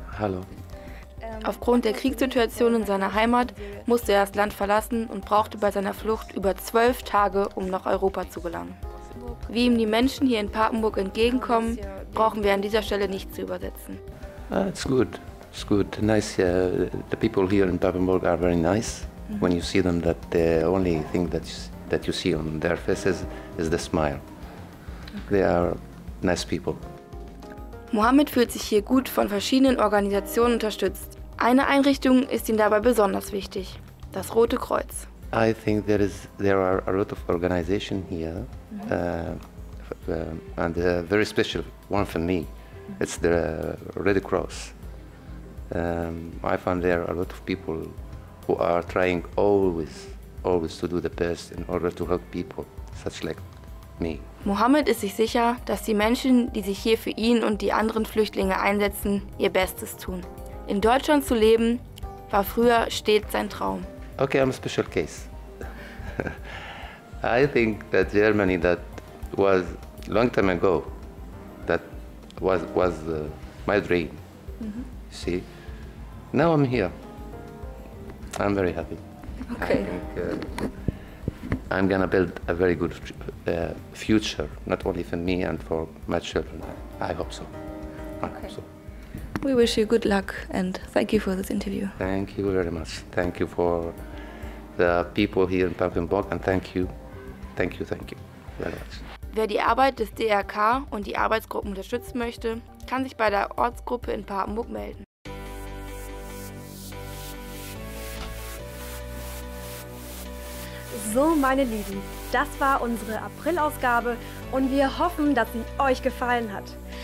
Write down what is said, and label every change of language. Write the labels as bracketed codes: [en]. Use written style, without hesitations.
[de] Hallo. Aufgrund der Kriegssituation in seiner Heimat musste er das Land verlassen und brauchte bei seiner Flucht über 12 Tage, um nach Europa zu gelangen. Wie ihm die Menschen hier in Papenburg entgegenkommen, brauchen wir an dieser Stelle nicht zu übersetzen. [en] It's good. Nice. The people here in Papenburg are very nice. When you see them, that the only thing that you see on their faces is the smile. They are nice people. [de] Mohammed fühlt sich hier gut von verschiedenen Organisationen unterstützt. Eine Einrichtung ist ihm dabei besonders wichtig, das Rote Kreuz. [en] I think there are a lot of organization here and a very special one for me. It's the Red Cross. I find there a lot of people who are trying always to do the best in order to help people such like me. [de] Mohammed ist sich sicher, dass die Menschen, die sich hier für ihn und die anderen Flüchtlinge einsetzen, ihr Bestes tun. In Deutschland zu leben, war früher stets sein Traum. [en] Okay, I'm a special case. I think that Germany, that was long time ago, that was my dream. Mm-hmm. See, now I'm here. I'm very happy. Okay. I'm gonna build a very good future, not only for me and for my children. I hope so. We wish you good luck and thank you for this interview. Thank you very much. Thank you for the people here in Papenburg and thank you very much. [de] Wer die Arbeit des DRK und die Arbeitsgruppen unterstützen möchte, kann sich bei der Ortsgruppe in Papenburg melden. So, meine Lieben, das war unsere April-Ausgabe und wir hoffen, dass sie euch gefallen hat.